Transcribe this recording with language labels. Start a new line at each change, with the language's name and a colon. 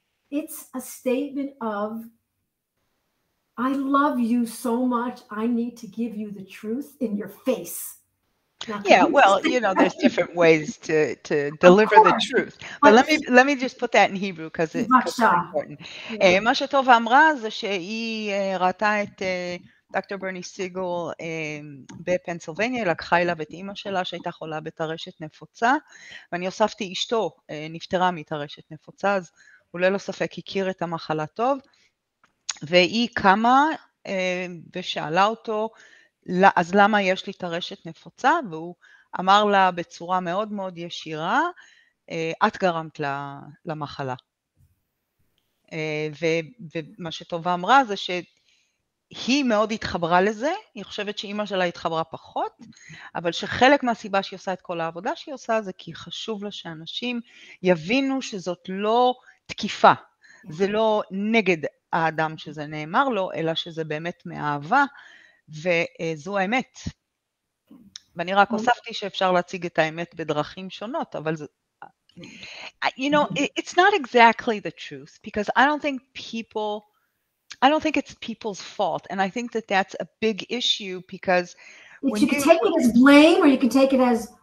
English: It's a statement of, I love you so much, I need to give you the truth in your face. Now, yeah, well, you know, there's different ways to deliver the truth. But let me just put that in Hebrew, because it's important. Yeah.
Hebrew: מה שטובה אמרה זה שהיא ראתה את דוקטור ברני סיגל בפנסילבניה, לקחה אליו את אמא שלה שהייתה חולה בתרשת נפוצה, ואני הוספתי אשתו, נפטרה מתרשת נפוצה, אז אולי לא ספק, הכיר את המחלה טוב, והיא קמה ושאלה אותו, אז למה יש לי תרשת נפוצה? והוא אמר לה בצורה מאוד מאוד ישירה, את גרמת למחלה. ומה שטובה אמרה זה שהיא מאוד התחברה לזה, היא חושבת שאמא שלה התחברה פחות, אבל שחלק מהסיבה שהיא עושה את כל העבודה שהיא עושה, זה כי חשוב לה שאנשים יבינו שזאת לא תקיפה. זה לא נגד האדם שזה נאמר לו, אלא שזה באמת מאהבה, וזו האמת. ואני רק הוספתי שאפשר להציג את האמת בדרכים שונות, אבל זה,
English: you know, it's not exactly the truth, because I don't think it's people's fault, and I think that that's a big issue, because if you can take it as blame, or you can take it as